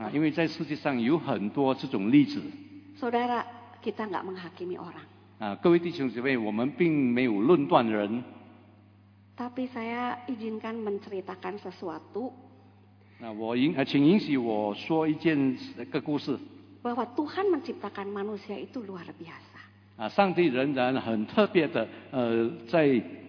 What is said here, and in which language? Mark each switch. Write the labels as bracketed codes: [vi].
[zh] 啊，因为在世界上有很多这种例子。 [id] Saudara, kita nggak menghakimi orang. [zh] 啊，各位弟兄姊妹，我们并没有论断人。 [id] Tapi saya izinkan menceritakan sesuatu. [zh] 那我请允许我说一件个故事。 [id] Bahwa Tuhan menciptakan manusia itu luar biasa. [zh] 啊，上帝仍然很特别的，在。